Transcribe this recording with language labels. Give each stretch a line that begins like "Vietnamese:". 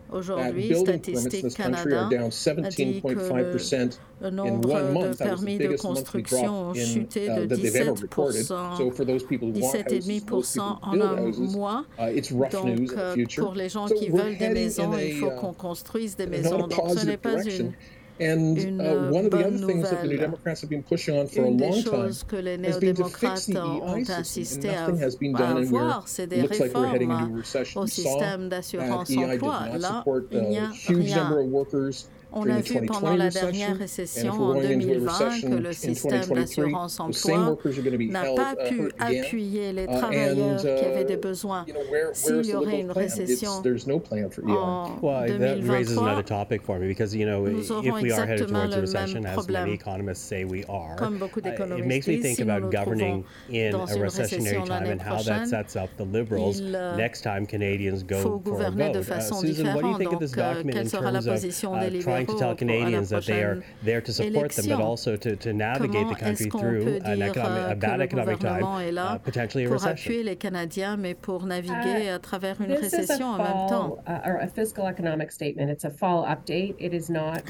French: Aujourd'hui, Statistique Canada a dit que le nombre de permis de construction ont chuté de 17,5% en un mois. Donc, pour les gens qui veulent des maisons, il faut qu'on construise des maisons. Donc, ce n'est pas une
English: And one of the other things that the New Democrats have been pushing on for a long time has been to fix the EI system, and nothing has been done, and it looks like we're heading into a recession. We saw that EI did not support a huge number of workers.
French: On a vu pendant la dernière récession en 2020 que le système d'assurance emploi n'a pas pu appuyer les travailleurs qui avaient des besoins. S'il y aurait une récession en 2023, nous aurons exactement le même problème. Comme beaucoup d'économistes disent, si nous nous trouvons dans une récession l'année prochaine, il faut gouverner de façon différente. Donc, quelle sera la position des libéraux?
English: To tell Canadians that they are there to support them, but also to navigate the country through a bad economic time, potentially a recession. This is a fall, or a fiscal economic statement. It's a fall update. It is not a